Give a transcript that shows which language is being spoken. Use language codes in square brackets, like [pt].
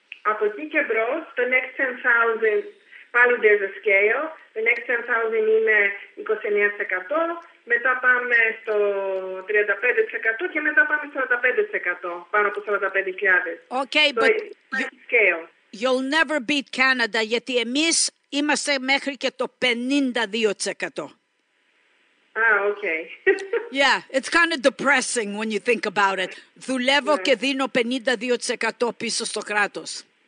[el] Από εκεί και μπρος, [en] the next 10,000, [el] πάλι [en] there's a scale, [el] the next 10,000 είναι 29%, μετά πάμε στο 35% και μετά πάμε στο 45%, πάνω από 45,000. [en] Okay, but you'll never beat Canada, [el] γιατί εμείς είμαστε μέχρι και το 52%. Α, okay. [en] Yeah, it's kind of depressing when you think about it. [el] Δουλεύω και δίνω 52% πίσω στο κράτος.